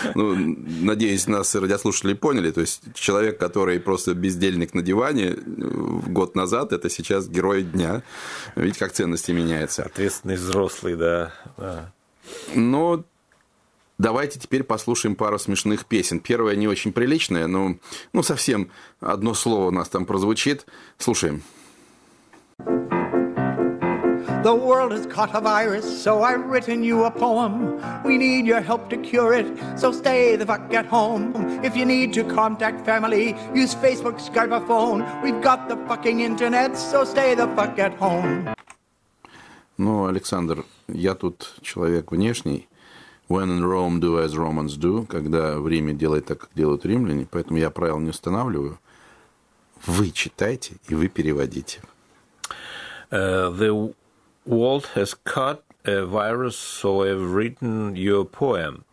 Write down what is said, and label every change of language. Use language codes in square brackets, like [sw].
[ru] Ну, надеюсь, нас радиослушатели поняли. То есть человек, который просто бездельник на диване год назад, это сейчас герой дня. Видите, как ценности меняются. Ответственный взрослый, да. Ну, давайте теперь послушаем пару смешных песен. Первая не очень приличная, но ну, совсем одно слово у нас там прозвучит. Слушаем. [en] The world has caught a virus, so I've written you a poem. We need your help to cure it, so stay the fuck at home. If you need to contact family, use Facebook, Skype or phone. We've got the fucking internet, so stay the fuck at home. [ru] Ну, Александр, я тут человек внешний. [en] When in Rome do as Romans do, [ru] когда в Риме делают так, как делают римляне, поэтому я правил не устанавливаю. Вы читайте и вы переводите. [en] The world has caught a virus, so I've written your poem.